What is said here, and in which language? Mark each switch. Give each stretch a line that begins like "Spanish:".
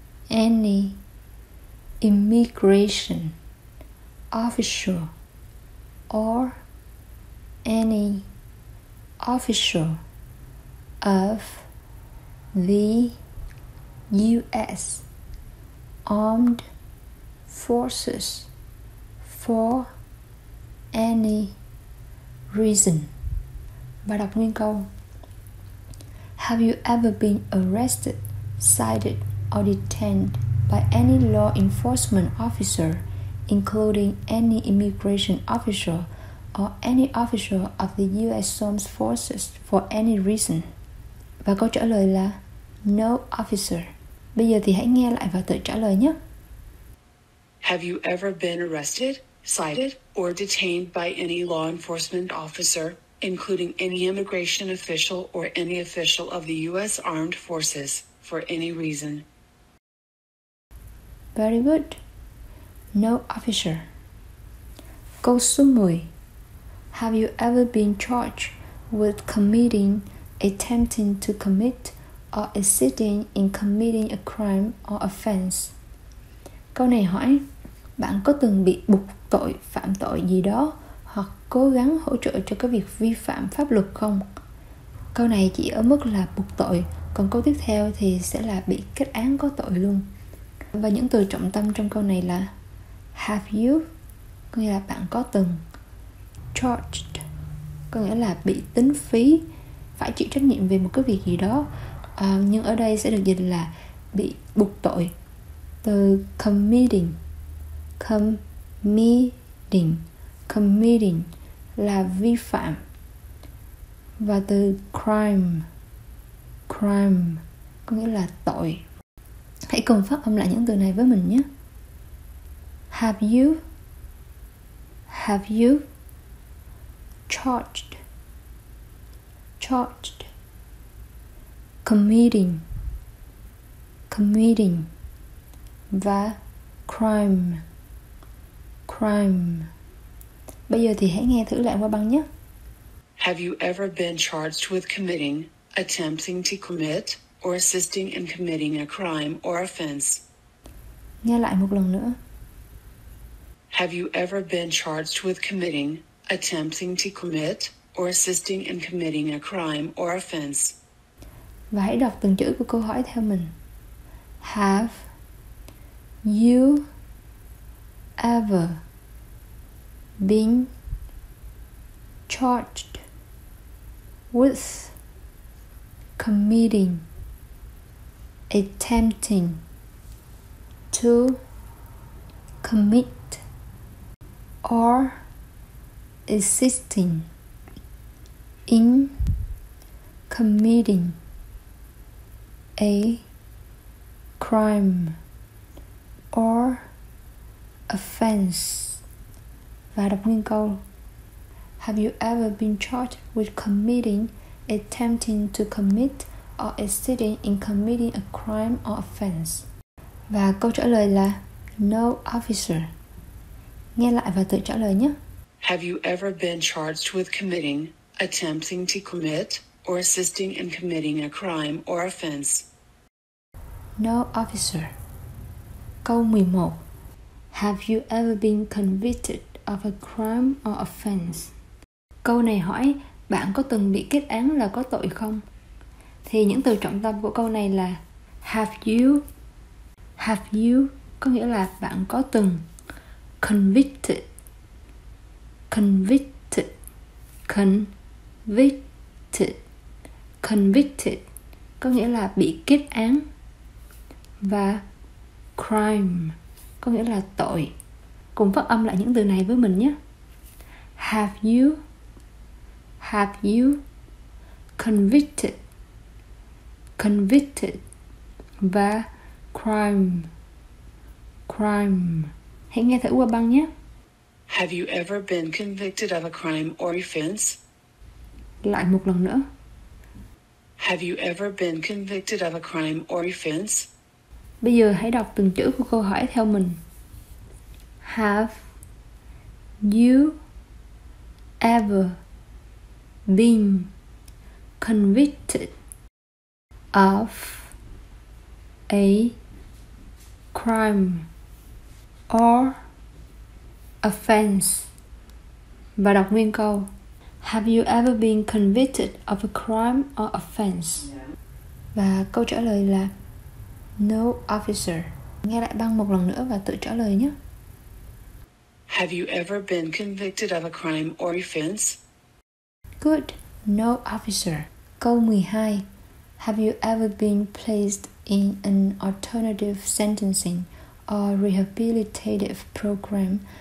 English: any, immigration, official, or, any, official, of, the, U.S., armed, forces, for, any, reason.
Vietnamese: Và đọc nguyên câu.
English: Have you ever been arrested, cited, or detained by any law enforcement officer, including any immigration official or any official of the U.S. Armed Forces for any reason?
Vietnamese: Và câu trả lời là
English: no officer.
Vietnamese: Bây giờ thì hãy nghe lại và tự trả lời nhé.
English: Have you ever been arrested, cited, or detained by any law enforcement officer, including any immigration official or any official of the U.S. Armed Forces for any reason? Very good. No officer.
Vietnamese: Câu số 10.
English: Have you ever been charged with committing, attempting to commit, or assisting in committing a crime or offense?
Vietnamese: Câu này hỏi, bạn có từng bị buộc tội phạm tội gì đó hoặc cố gắng hỗ trợ cho cái việc vi phạm pháp luật không? Câu này chỉ ở mức là buộc tội, còn câu tiếp theo thì sẽ là bị kết án có tội luôn. Và những từ trọng tâm trong câu này là
English: have you,
Vietnamese: có nghĩa là bạn có từng,
English: charged,
Vietnamese: có nghĩa là bị tính phí, phải chịu trách nhiệm về một cái việc gì đó, nhưng ở đây sẽ được dịch là bị buộc tội. Từ
English: committing, committing, committing
Vietnamese: là vi phạm. Và từ crime, crime có nghĩa là tội. Hãy cùng phát âm lại những từ này với mình nhé.
English: Have you, have you, charged, charged, committing, committing,
Vietnamese: và
English: crime, crime.
Vietnamese: Bây giờ thì hãy nghe thử lại qua băng nhé.
English: Have you ever been charged with committing, attempting to commit, or assisting in committing a crime or offense?
Vietnamese: Nghe lại một lần nữa.
English: Have you ever been charged with committing, attempting to commit, or assisting in committing a crime or offense?
Vietnamese: Và hãy đọc từng chữ của câu hỏi theo mình.
English: Have you ever been charged with committing, attempting to commit, or assisting in committing a crime or offense?
Vietnamese: Và đọc nguyên câu.
English: Have you ever been charged with committing, attempting to commit, or assisting in committing a crime or offense?
Vietnamese: Và câu trả lời là
English: no officer.
Vietnamese: Nghe lại và tự trả lời nhé.
English: Have you ever been charged with committing, attempting to commit, or assisting in committing a crime or offense? No officer.
Vietnamese: Câu 11.
English: Have you ever been convicted of a crime or offense?
Vietnamese: Câu này hỏi, bạn có từng bị kết án là có tội không? Thì những từ trọng tâm của câu này là
English: have you. Have you
Vietnamese: có nghĩa là bạn có từng.
English: Convicted, convicted, convicted, convicted
Vietnamese: có nghĩa là bị kết án. Và crime có nghĩa là tội. Cùng phát âm lại những từ này với mình nhé.
English: Have you, have you, convicted, convicted,
Vietnamese: và
English: crime, crime.
Vietnamese: Hãy nghe thử qua băng nhé.
English: Have you ever been convicted of a crime or offense?
Vietnamese: Lại một lần nữa.
English: Have you ever been convicted of a crime or offense?
Vietnamese: Bây giờ hãy đọc từng chữ của câu hỏi theo mình.
English: Have you ever been convicted of a crime or offense?
Vietnamese: Và đọc nguyên câu.
English: Have you ever been convicted of a crime or offense?
Vietnamese: Và câu trả lời là
English: no, officer.
Vietnamese: Nghe lại băng một lần nữa và tự trả lời nhé.
English: Have you ever been convicted of a crime or offense? Good. No, officer.
Vietnamese: Câu 12.
English: Have you ever been placed in an alternative sentencing or rehabilitative program?